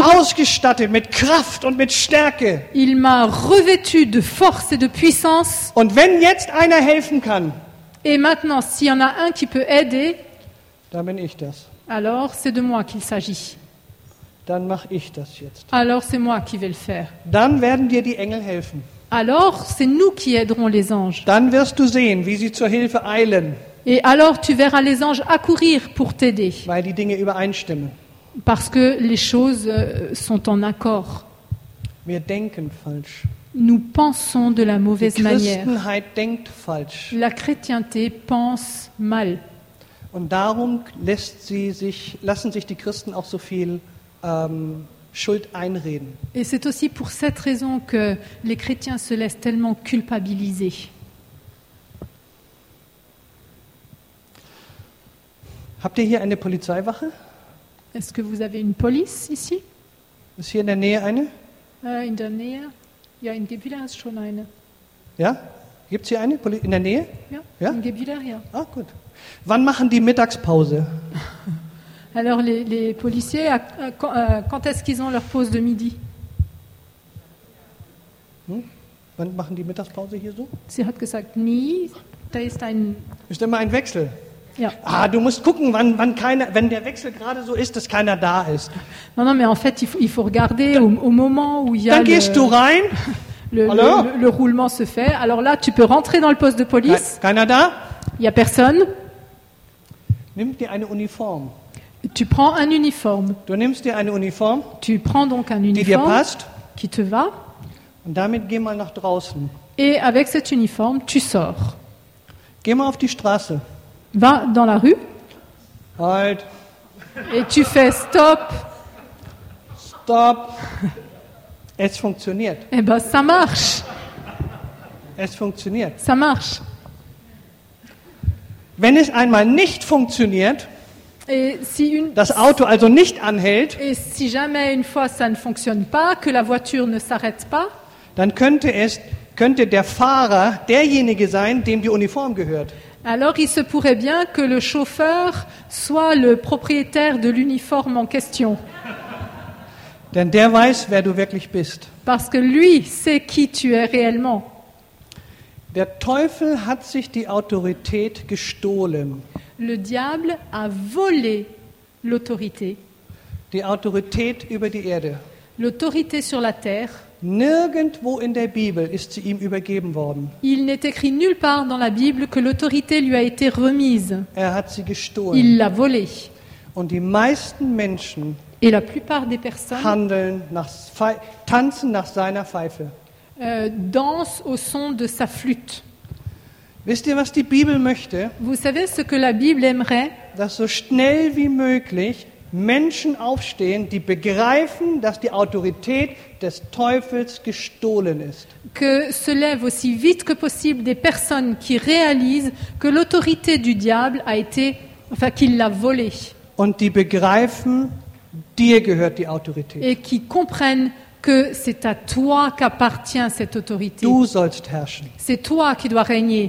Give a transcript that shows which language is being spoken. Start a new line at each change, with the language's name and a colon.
German: Er hat mich ausgestattet mit Kraft und mit Stärke.
French: Il m'a revêtu de force et de puissance.
German: Und wenn jetzt einer helfen kann,
French: et maintenant, s'il y en a un qui peut aider,
German: dann bin ich das.
French: Alors, c'est de moi qu'il s'agit.
German: Dann mache ich das jetzt.
French: Alors c'est moi qui vais le faire.
German: Dann werden dir die Engel helfen.
French: Alors c'est nous qui aiderons les anges.
German: Dann wirst du sehen, wie sie zur Hilfe eilen.
French: Et alors tu verras les anges accourir pour t'aider.
German: Weil die Dinge übereinstimmen.
French: Parce que les choses sont en accord.
German: Wir denken falsch.
French: Nous pensons de la mauvaise manière.
German: Die Christenheit denkt falsch.
French: La chrétienté pense mal.
German: Und darum lassen sich die Christen auch so viel Schuld einreden.
French: Et c'est aussi pour cette raison que les chrétiens se laissent tellement culpabiliser.
German: Habt ihr hier eine Polizeiwache?
French: Est-ce que vous avez une police ici?
German: Ist hier in der Nähe eine? In der Nähe? Ja, in Gebiller ist schon eine. Ja? Gibt es hier eine in der Nähe? Ja, in Gebiller, ja. Ah, gut. Wann machen die Mittagspause?
French: Alors, les policiers, quand est-ce qu'ils ont leur pause de midi?
German: Wann machen die Mittagspause hier so? Sie hat gesagt, nie. Da ist ein... Ist immer ein Wechsel. Ja. Ah, du musst gucken, wann keiner, wenn der Wechsel gerade so ist, dass keiner da ist.
French: Non, mais en fait, il faut regarder au moment où il y a...
German: Dann gehst du rein.
French: Le roulement se fait. Alors là, tu peux rentrer dans le poste de police.
German: Keiner da?
French: Il y a personne.
German: Nimm dir eine Uniform.
French: Tu prends un uniforme.
German: Du nimmst dir eine Uniform.
French: Tu prends donc un uniforme.
German: Die dir passt.
French: Qui te va.
German: Und damit geh mal nach draußen.
French: Et avec cet uniforme, tu sors.
German: Geh mal auf die Straße.
French: Va dans la rue.
German: Halt.
French: Et tu fais stop.
German: Stop. Es funktioniert.
French: Eh ben, ça marche.
German: Es funktioniert.
French: Ça marche.
German: Wenn es einmal nicht funktioniert,
French: et si
German: das Auto also nicht anhält,
French: et si jamais une fois ça ne fonctionne pas, que la voiture ne s'arrête pas,
German: dann könnte der Fahrer derjenige sein, dem die Uniform gehört.
French: Alors il se pourrait bien que le chauffeur soit le propriétaire de l'uniforme en question.
German: Denn der weiß, wer du wirklich bist.
French: Parce que lui sait qui tu es réellement.
German: Der Teufel hat sich die Autorität gestohlen.
French: Le diable a volé l'autorité.
German: Die Autorität über die Erde.
French: L'autorité sur la terre.
German: Nirgendwo in der Bibel ist sie ihm übergeben worden.
French: Il n'est écrit nulle part dans la Bible que l'autorité lui a été remise.
German: Er hat sie gestohlen.
French: Il l'a volée.
German: Und die meisten Menschen,
French: et la plupart des personnes,
German: handeln nach, tanzen nach seiner Pfeife.
French: Dansent au son de sa flûte.
German: Wisst ihr, was die Bibel möchte?
French: Vous savez ce que la Bible aimerait?
German: Dass so schnell wie möglich Menschen aufstehen, die begreifen, dass die Autorität des Teufels gestohlen ist.
French: Que se lèvent aussi vite que possible des personnes qui réalisent que l'autorité du diable a été, enfin qu'il l'a volée.
German: Und die begreifen, dir gehört die Autorität.
French: Et qui comprennent que c'est à toi qu'appartient cette autorité.
German: Du sollst herrschen.
French: C'est toi qui dois régner.